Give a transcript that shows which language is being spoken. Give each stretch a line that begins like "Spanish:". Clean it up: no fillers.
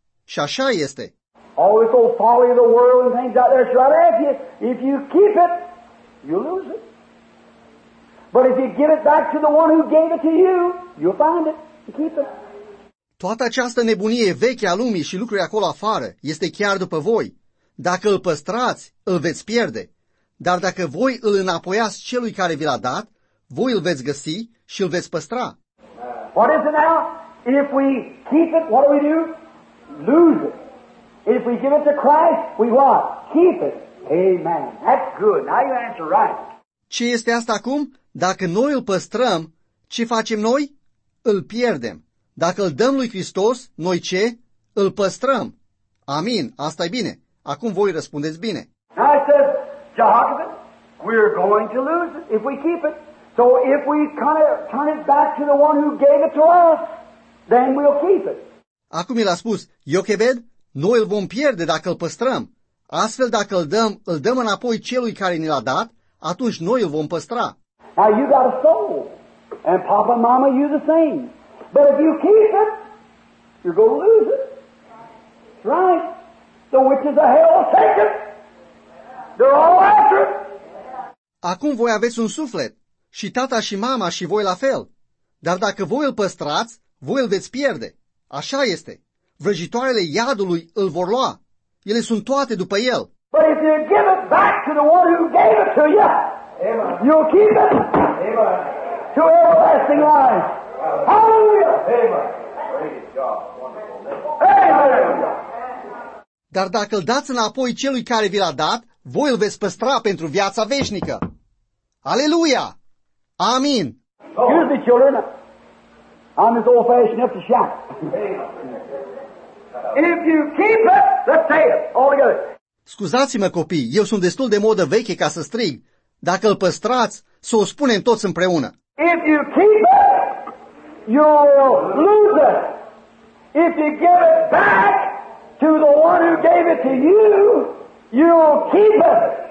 Romanian: Și așa este.
English: All this old folly of the world and things out there shall have you. If you keep it, you'll lose it. But if you give it back to the one who gave it to you, you'll find it and keep it.
Romanian: Toată această nebunie veche a lumii și lucruri acolo afară este chiar după voi. Dacă îl păstrați, îl veți pierde. Dar dacă voi îl înapoiați celui care vi l-a dat, voi îl veți găsi și îl veți păstra.
English: What is it now? If we keep it, what do we do? Lose it. If we give it to Christ, we what? Keep it. Amen. That's good. Now you answer right.
Romanian: Ce este asta acum? Dacă noi îl păstrăm, ce facem noi? Îl pierdem. Dacă îl dăm lui Hristos, noi ce? Îl păstrăm. Amin. Asta e bine. Acum voi răspundeți bine.
English: Now I said, Jacob, we're going to lose it if we keep it. So if we kind of turn it back to the one who gave it to us, then we'll keep it.
Romanian: Acum el a spus, Iochebed, noi îl vom pierde dacă îl păstrăm. Astfel, dacă îl dăm înapoi celui care ne l-a dat, atunci noi îl vom păstra.
English: Now you got a soul, and Papa and Mama you the same. But if you keep it, you're going to lose it. Right? The witches of hell will take it. They're all after it.
Romanian: Acum voi aveți un suflet, și tata și mama și voi la fel. Dar dacă voi îl păstrați, voi îl veți pierde. Așa este. Vrăjitoarele iadului îl vor lua. Ele sunt toate după el.
English: But if you give it back to the one who gave it to you, amen, you'll keep it, amen, to everlasting life. Hallelujah. Amen. Praise God. Wonderful. Amen.
Romanian: Dar dacă îl dați înapoi celui care vi l-a dat, voi îl veți păstra pentru viața veșnică. Aleluia! Amin!
English: Excuse me, children. I'm as old fashioned as a shot. If you keep it, let's say it all together.
Romanian: Scuzați-mă, copii, eu sunt destul de modă veche ca să strig. Dacă îl păstrați, să o spunem toți împreună.
English: If you keep it, you'll lose it. If you give it back to the one who gave it to you, you'll keep it.